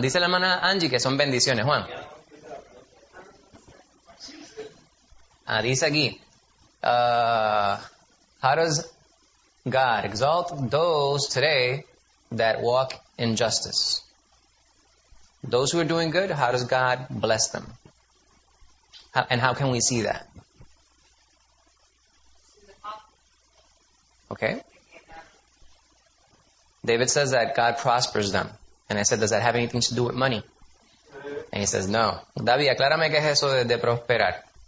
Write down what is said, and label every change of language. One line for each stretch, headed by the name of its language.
Spanish: Dice la hermana Angie que son bendiciones, Juan. Dice aquí,
English: how does God exalt those today that walk in justice? Those who are doing good, how does God bless them? How can we see that? Okay. David says that God prospers them. And I said, does that have anything to do with money? And he says, no.
Spanish: David, aclárame qué es eso de prosperar.